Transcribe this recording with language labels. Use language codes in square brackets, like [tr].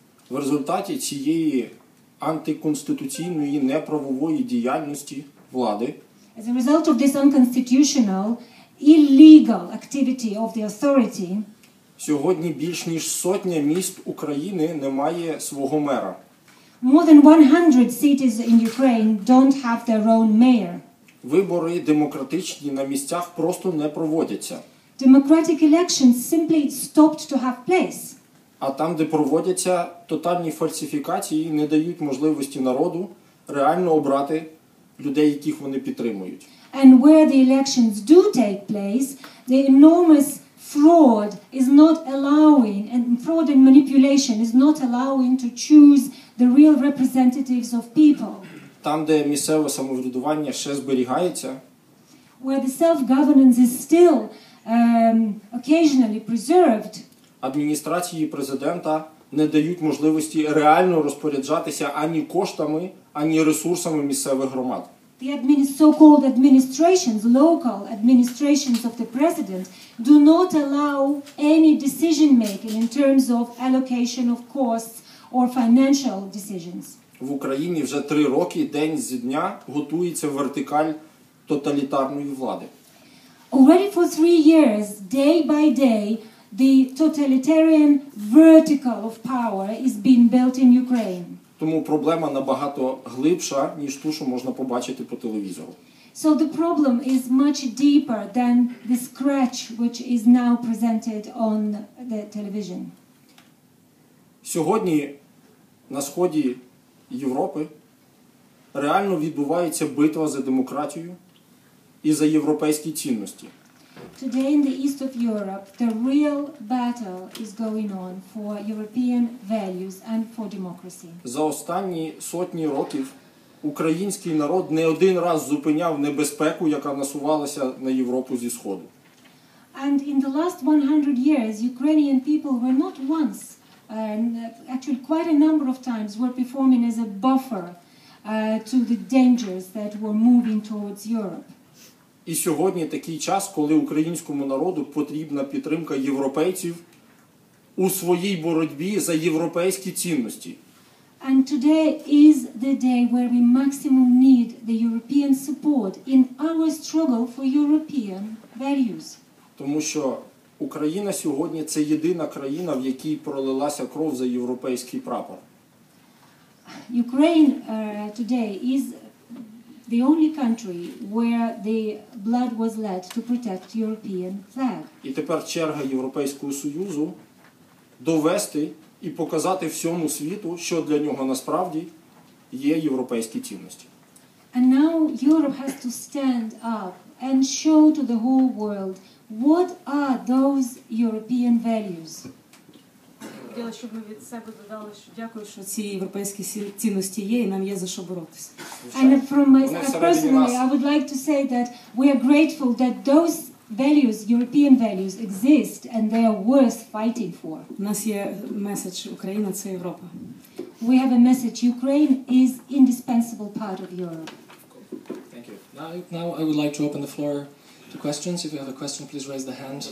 [uk] В результаті цієї антиконституційної неправової діяльності влади, [en] as a result of this unconstitutional illegal activity of the authority, [uk] сьогодні більш ніж сотня міст України не має свого мера. [en] More than 100 cities in Ukraine don't have their own mayor. [uk] Вибори демократичні на місцях просто не проводяться. [en] Democratic elections simply stopped to have place. [uk] А там, де проводяться, тотальні фальсифікації не дають можливості народу реально обрати людей, яких вони підтримують. [en] And where the elections do take place, the enormous fraud is not allowing, and fraud and manipulation is not allowing to choose the real representatives of people. [uk] Там, де місцеве самоврядування ще зберігається, [en] where the self-governance is still occasionally preserved, [uk] адміністрації президента не дають можливості реально розпоряджатися ані коштами, ані ресурсами місцевих громад. [en] The so-called administrations, local administrations of the president, do not allow any decision making in terms of allocation of costs or financial decisions. [uk] В Україні вже 3 роки день зі дня готується вертикаль тоталітарної влади. [en] Already for 3 years, day by day, the totalitarian vertical of power is being built in Ukraine. [uk] Тому проблема набагато глибша, ніж ту, що можна побачити по телевізору. [en] So the problem is much deeper than the scratch which is now presented on the television. [uk] Сьогодні на сході Європи реально відбувається битва за демократію і за європейські цінності. [en] Today in the east of Europe, the real battle is going on for European values and for democracy. [uk] За останні сотні років український народ не один раз зупиняв небезпеку, яка насувалася на Європу зі сходу. [en] And in the last 100 years, Ukrainian people were not once, actually quite a number of times, were performing as a buffer to the dangers that were moving towards Europe. [uk] І сьогодні такий час, коли українському народу потрібна підтримка європейців у своїй боротьбі за європейські цінності. [en] And today is the day where we maximum need the European support in our struggle for European values. [uk] Тому що Україна сьогодні – це єдина країна, в якій пролилася кров за європейський прапор. [en] Ukraine today is the only country where the blood was let to protect European flag. [uk] І тепер черга Європейського Союзу довести і показати всьому світу, що для нього насправді є європейські цінності. [en] And now Europe has to stand up and show to the whole world what are those European values. [uk] Хотіла, щоб ми від себе додали, що дякую, що ці європейські цінності є і нам є за що боротися. [en] And from myself personally, I would like to say that we are grateful that those values, European values, exist and they are worth fighting for. [uk] У нас є меседж «Україна – це Європа». [en] We have a message – Ukraine is indispensable part of Europe. Thank you. Now I would like to open the floor to questions. If you have a question, please raise the hand.